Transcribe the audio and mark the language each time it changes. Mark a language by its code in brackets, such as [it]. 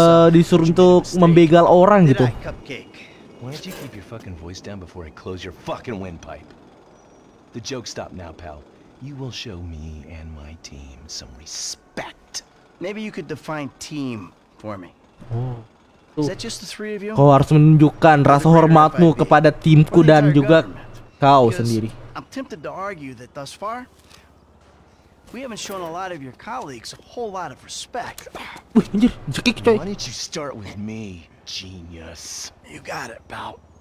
[id] Disuruh untuk membegal orang gitu. [en] Why don't you keep your fucking voice down before I close your fucking windpipe? The joke stopped now, pal. You will show me and my team some respect. Maybe you could define team for me. Oh. Is that just the three of you? [id] Kau harus menunjukkan rasa hormatmu kepada timku dan juga kau sendiri. [en] I'm tempted to argue that thus far we haven't shown a lot of your colleagues a whole lot of respect. [id] Wih, anjir, cekik coy. [en] Why don't you start with me, genius? You got it, pal.